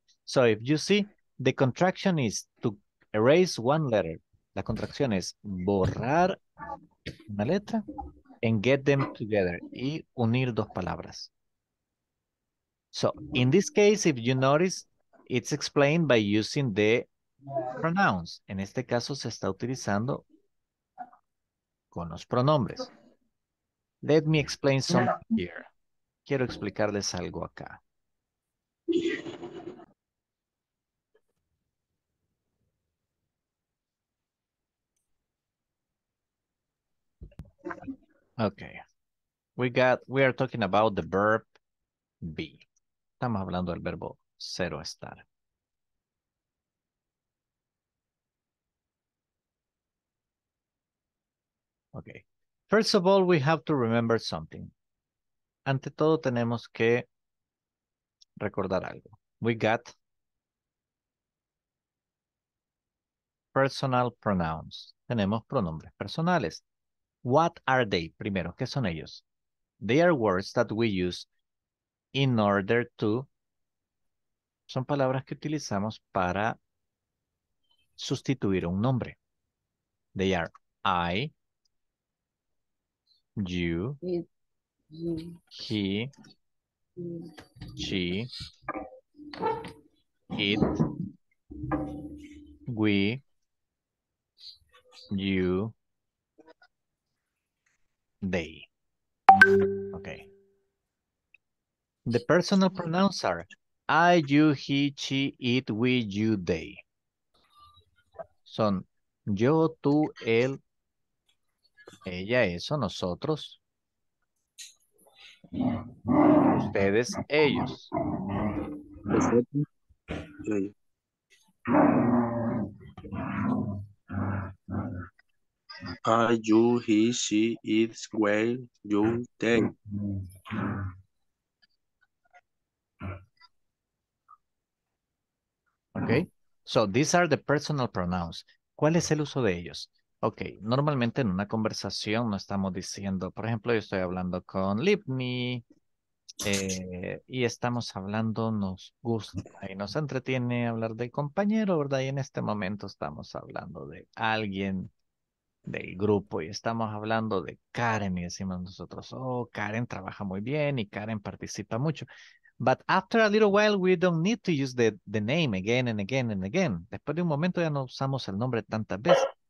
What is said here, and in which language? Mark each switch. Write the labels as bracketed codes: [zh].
[en] So if you see, the contraction is to erase one letter. [es] La contracción es borrar una letra [en] and get them together. [es] Y unir dos palabras. [en] So in this case, if you notice, it's explained by using the pronouns. [es] En este caso se está utilizando con los pronombres. [en] Let me explain something here. [es] Quiero explicarles algo acá. [en] Okay. We are talking about the verb be. [es] Estamos hablando del verbo ser o estar. [en] Okay. First of all, we have to remember something. [es] Ante todo, tenemos que recordar algo. [en] We got personal pronouns. [es] Tenemos pronombres personales. [en] What are they? [es] Primero, ¿qué son ellos? [en] They are words that we use in order to. [es] Son palabras que utilizamos para sustituir un nombre. [en] They are I, you, he, she, it, we, you, they. Okay. The personal pronouns are I, you, he, she, it, we, you, they. [es] Son yo, tú, él, ella, eso, nosotros, ustedes, ellos. [en] I, you, he, she, it, we, you, they. Okay. So these are the personal pronouns. [es] ¿Cuál es el uso de ellos? [en] Okay. [es] Normalmente en una conversación no estamos diciendo, por ejemplo, yo estoy hablando con Libni y estamos hablando, nos gusta y nos entretiene hablar del compañero, ¿verdad? Y en este momento estamos hablando de alguien del grupo y estamos hablando de Karen y decimos nosotros, oh, Karen trabaja muy bien y Karen participa mucho. [en] But after a little while, we don't need to use the name again and again and again. [es] Después de un momento ya no usamos el nombre tantas veces.